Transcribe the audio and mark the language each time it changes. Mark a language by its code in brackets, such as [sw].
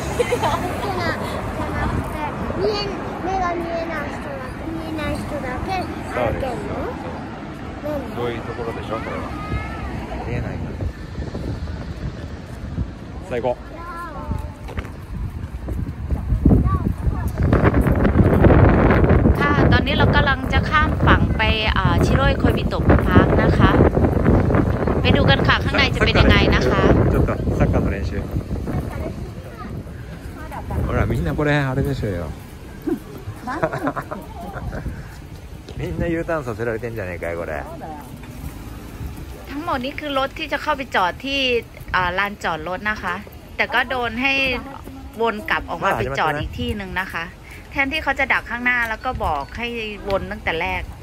[th] ขนาดขนาดแต่ [ja] 見えない見えない人だけ見えない人だけあるけど。どういうところでしょうこれは。見えない。最高。 [th] ค่ะตอนนี้เรากำลังจะข้ามฝั่งไปชิโร่คอยบิโตะพาร์คนะคะไปดูกันค่ะข้างในจะเป็นยังไงนะคะ [ja] ちょっとサッカーの練習ほらみんなこれあれでしょよみんな U ターンさせられてんじゃねえかよこれ [th] ทั้งหมดนี้คือรถที่จะเข้าไปจอดที่ลานจอดรถนะคะแต่ก็โดนให้วนกลับออกมาไปจอดอีกที่นึงนะคะแทนที่เขาจะดักข้างหน้าแล้วก็บอกให้วนตั้งแต่แรก